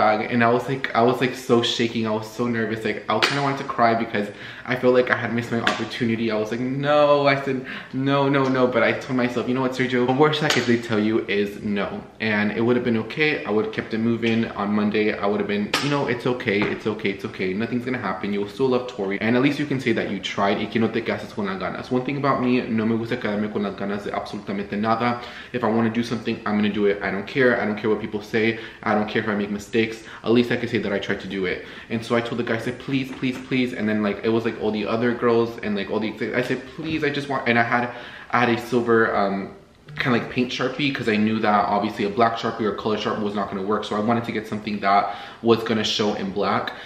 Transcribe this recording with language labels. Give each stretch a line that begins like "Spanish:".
English: And I was like so shaking, I was so nervous, like I kind of wanted to cry because I felt like I had missed my opportunity. I was like, no, I said, no. But I told myself, you know what, Sergio, the worst that could they tell you is no. And it would have been okay, I would have kept it moving on Monday. I would have been, you know, it's okay, nothing's gonna happen, you'll still love Tory, and at least you can say that you tried.
Spanish: Y que no te cases con las ganas.
English: One thing about me,
Spanish: no me gusta quedarme con las ganas de absolutamente nada.
English: If I want to do something, I'm gonna do it. I don't care what people say, I don't care if I make mistakes, at least I can say that I tried to do it. And so I told the guy, I said, please, and then like it was like all the other girls and like all the, I said, please, I just want, and I had a silver kind of like paint Sharpie, because I knew that obviously a black Sharpie or a color Sharpie was not going to work, so I wanted to get something that was going to show in black.